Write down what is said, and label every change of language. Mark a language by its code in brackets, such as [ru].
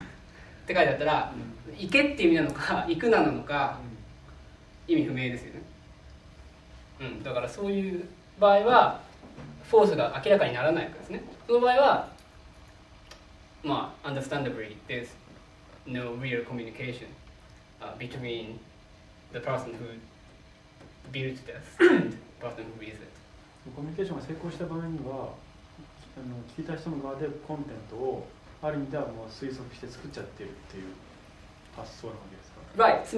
[ja] って書いてあったら、うん、行けっていう意味なのか行くなのか、うん、意味不明ですよね。うん、だからそういう場合はフォースが明らかにならないわけですね。その場合はまあ [en] understandably there's no real communication、between the person who built this and the person who is it。 [ja] コミュニケーションが成功した場合には聞いた人の側でコンテンツをある意味ではもう推測して作っちゃってるっていう発想なわけですか。